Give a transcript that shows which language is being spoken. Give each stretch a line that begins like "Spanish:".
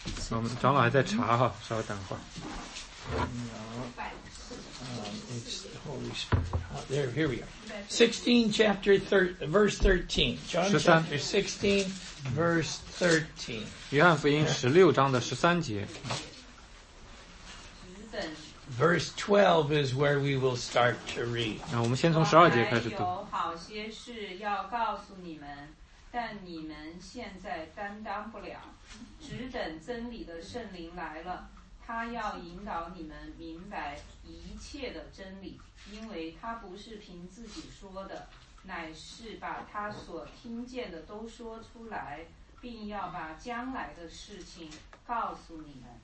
Chinese: 我们长老还在查哈，稍微等会儿。
English: It's the Holy Spirit. There, here we are. 16 chapter verse 13. John 13. Chapter 16 verse 13.
Chinese: 约翰福音十六章的十三节。
English: Verse 12 is where we will start to read.
Chinese: 那我们先从十二节开始读。我还有好些事要告诉你们，但你们现在担当不了，只等真理的圣灵来了，他要引导你们明白一切的真理，因为他不是凭自己说的，乃是把他所听见的都说出来，并要把将来的事情告诉你们。